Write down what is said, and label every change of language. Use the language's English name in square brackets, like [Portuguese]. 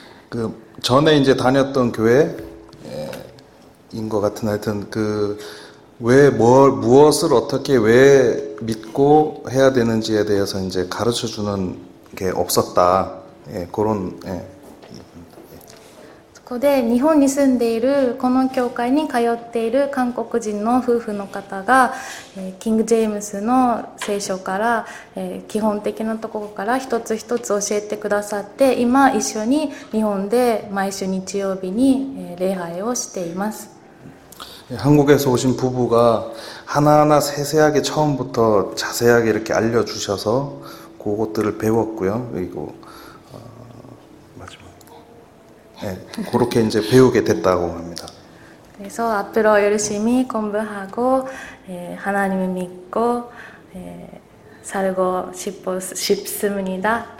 [Korean] 다녔던 전에 이제 다녔던 교회인 것 같은 하여튼 무엇을 어떻게 왜 믿고 해야 되는지에 대해서 이제 가르쳐 주는 게 없었다. 그런 [Japanese] そこで日本に住んでいるこの教会に通っている韓国人の夫婦の方が、キング・ジェームスの聖書から、基本的なところから一つ一つ教えてくださって、今一緒に日本で毎週日曜日に、礼拝をしています。 [Korean] 한국에서 오신 부부가 하나하나 세세하게 처음부터 자세하게 이렇게 알려주셔서 그것들을 배웠고요. 그리고, 그렇게 이제 배우게 됐다고 합니다. 그래서 앞으로 열심히 공부하고, 하나님을 믿고, 살고 싶습니다.